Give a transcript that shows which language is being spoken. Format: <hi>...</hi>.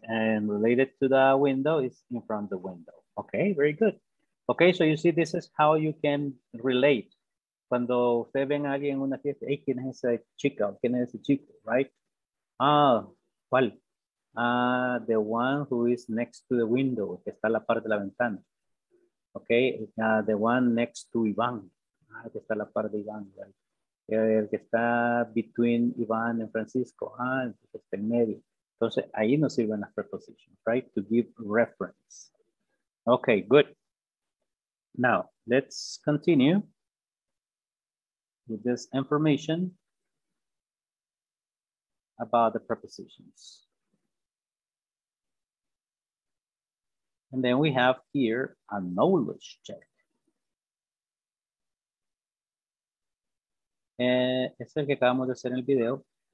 <en>And related to the window is in front of the window. Okay, very good. Okay, so you see, this is how you can relate.</en> <es>Cuando usted ven a alguien en una fiesta, hey, ¿quién es esa chica? ¿Quién es ese chico? Right? Ah, ¿cuál?</es> <en>The one who is next to the window,</en> <es>que está a la parte de la ventana.</es> <en>Okay, the one next to Iván.</en> <es>Ah, que está a la par de Iván. Right? El que está</es> <en>between Iván and Francisco.</en> <es>Ah, que está en medio. Entonces, ahí nos sirven las prepositions, right?</es> <en>To give reference. Okay, good. Now, let's continue with this information about the prepositions. And then we have here a knowledge check.</en> <es>Es el que acabamos de hacer en el video.</es>